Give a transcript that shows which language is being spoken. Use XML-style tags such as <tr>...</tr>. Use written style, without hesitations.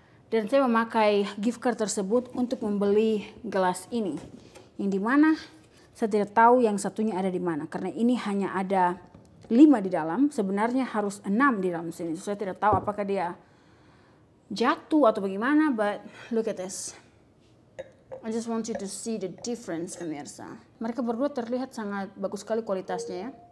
<id>Dan saya memakai gift card tersebut untuk membeli gelas ini. Yang di mana? Saya tidak tahu yang satunya ada di mana. Karena ini hanya ada 5 di dalam. Sebenarnya harus 6 di dalam sini. So, saya tidak tahu apakah dia jatuh atau bagaimana.</id> <en>But look at this. I just want you to see the difference, pemirsa.</en> <id>Mereka berdua terlihat sangat bagus sekali kualitasnya ya.</id>